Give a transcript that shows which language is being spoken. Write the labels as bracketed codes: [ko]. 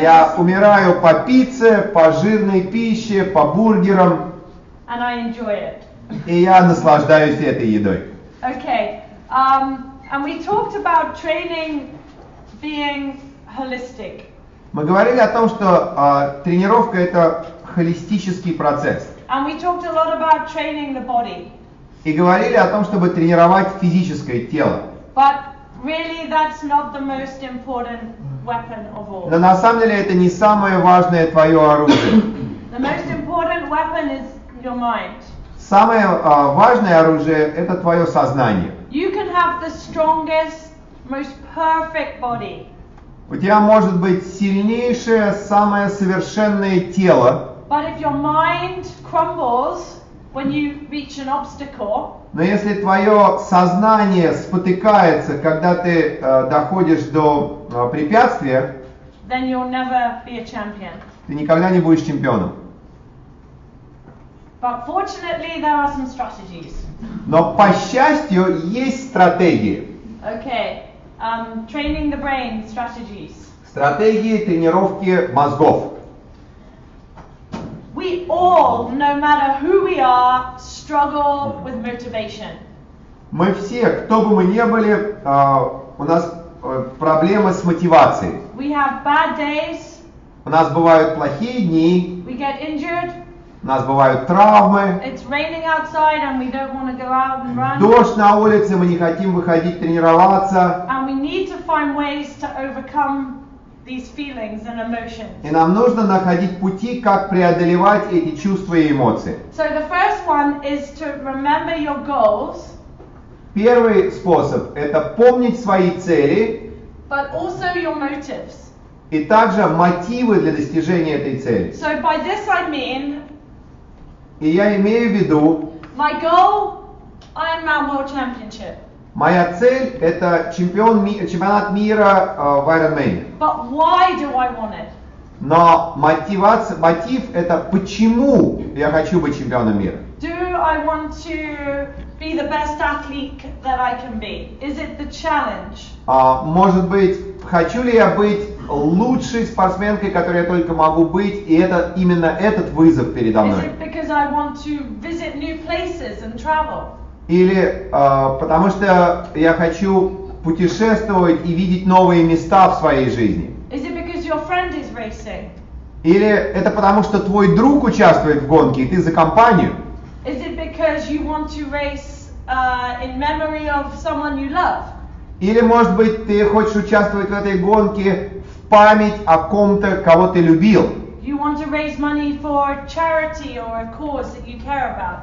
[ru] Я умираю по пицце, по жирной пище, по бургерам. [en] And I enjoy it. [ru] И я наслаждаюсь этой едой. [en] Okay. And we talked about training being holistic. [ru] Мы говорили о том, что тренировка это холистический процесс. [en] And we talked a lot about training the body. [ru] И говорили о том, чтобы тренировать физическое тело. [en] But really that's not the most important. [ru] Но на самом деле это не самое важное твое оружие. [en] The most important weapon is your mind. [ru] Самое важное оружие – это твое сознание. [en] You can have the strongest, most perfect body. [ru] У тебя может быть сильнейшее, самое совершенное тело. [en] But if your mind crumbles when you reach an obstacle. [ru] Но если твое сознание спотыкается, когда ты доходишь до препятствия, [en] then you'll never be a champion. [ru] Ты никогда не будешь чемпионом. [en] But fortunately, there are some strategies. [ru] Но, по счастью, есть стратегии. [en] Okay. Training the brain strategies. [ru] Стратегии тренировки мозгов. [en] We all, no matter who we are, struggle with motivation. [ru] Мы все, кто бы мы ни были, у нас проблемы с мотивацией. [en] We have bad days. [ru] У нас бывают плохие дни. [en] We get injured. [ru] У нас бывают травмы. [en] It's raining outside and we don't want to go out and run. [ru] Дождь на улице, мы не хотим выходить тренироваться. [en] And we need to find ways to overcome these feelings and emotions. [ru] И нам нужно находить пути, как преодолевать эти чувства и эмоции. [en] So the first one is to remember your goals. [ru] Первый способ – это помнить свои цели, [en] but also your motives. [ru] И также мотивы для достижения этой цели. [en] So by this I mean, [ru] и я имею в виду, [en] my goal – Ironman World Championship. [ru] Моя цель – это чемпионат мира в Ironman. [en] But why do I want it? [ru] Но мотив – это почему я хочу быть чемпионом мира. [en] Do I want to be the best athlete that I can be? Is it the challenge? [ru] Может быть, хочу ли я быть лучшей спортсменкой, которой я только могу быть, и это именно этот вызов передо мной? [en] Is it because I want to visit new places and travel? [ru] Или потому что я хочу путешествовать и видеть новые места в своей жизни. [en] Is it because your friend is racing? [ru] Или это потому что твой друг участвует в гонке, и ты за компанию? [en] Is it because you want to race in memory of someone you love? [ru] Или, может быть, ты хочешь участвовать в этой гонке в память о ком-то, кого ты любил? [en] You want to raise money for charity or a cause that you care about?